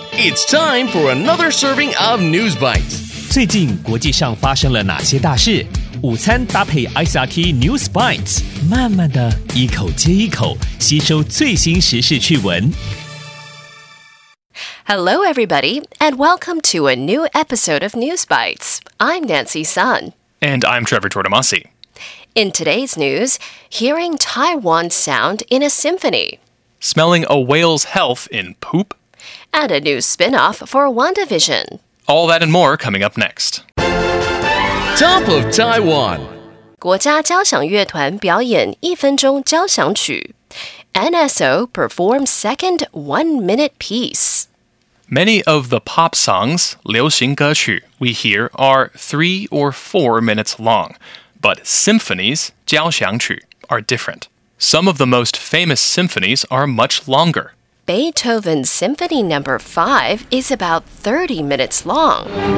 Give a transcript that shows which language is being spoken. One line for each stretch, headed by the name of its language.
English: It's time for another serving of News Bites.
Chinese: 最近国际上发生了哪些大事？午餐搭配 ICRT News Bites， 慢慢的一口接一口，吸收最新时事趣闻。
English: Hello, everybody, and welcome to a new episode of News Bites. I'm Nancy Sun. And I'm Trevor Tortomasi. In today's news, hearing Taiwan sound in a symphony. Smelling a whale's health in poop. And a new spin-off for WandaVision. All that and more coming up next. Top of Taiwan.
Chinese: 国家交响乐团表演一分钟交响曲。
English: NSO performs second one-minute piece. Many of the pop songs, 流行歌曲, we hear are 3 or 4 minutes long, but symphonies, 交响曲, are different. Some of the most famous symphonies are much longer. Beethoven's Symphony No. 5 is about 30 minutes long.